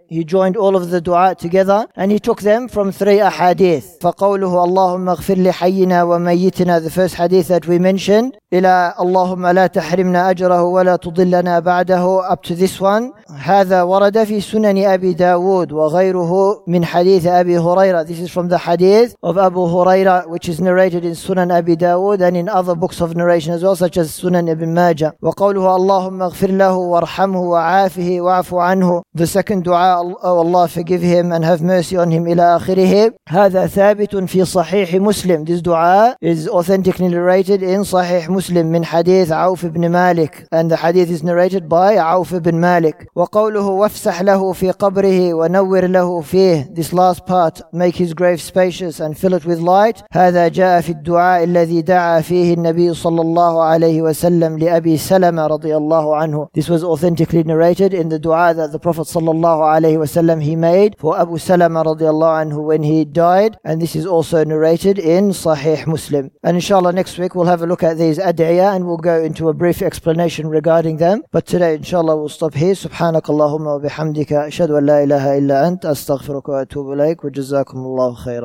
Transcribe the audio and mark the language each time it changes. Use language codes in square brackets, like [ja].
[en] He joined all of the dua together and he took them from three ahadith. [ar] فقوله اللهم اغفر لحينا وميتنا, [en] the first hadith that we mentioned, [ar] إلى اللهم لا تحرمنا أجره ولا تضلنا بعده, [en] up to this one. [ar] هذا ورد في سنن أبي داود وغيره من حديث أبي هريرة. [en] This is from the hadith of Abu Huraira, which is narrated in سنن أبي داود and in other books of narration as well, such as سنن ابن ماجة. [ar] وقوله اللهم اغفر له وارحمه وعافه واعف عنه, [en] the second dua, oh Allah, forgive him and have mercy on him, [ar] إلى آخره. هذا ثابت في صحيح مسلم. [en] This dua is authentically narrated in صحيح مسلم [ar] من حديث عوف بن مالك, [en] and the hadith is narrated by عوف بن مالك. [ar] وقوله وافسح له في قبره ونور له فيه, [en] this last part, make his grave spacious and fill it with light, [ar] هذا جاء في الدعاء الذي دعا فيه النبي صلى الله عليه وسلم لأبي سلمة رضي الله عنه. [en] This was authentically narrated in the dua that the Prophet صلى الله عليه وسلم he made for Abu Salama رضي الله عنه when he died, and this is also narrated in صحيح مسلم. And inshallah next week we'll have a look at these adiyah and we'll go into a brief explanation regarding them, but today inshallah we'll stop here. [ar] سبحانك اللهم وبحمدك أشهد أن لا إله إلا أنت أستغفرك وأتوب إليك وجزاكم الله خيرا.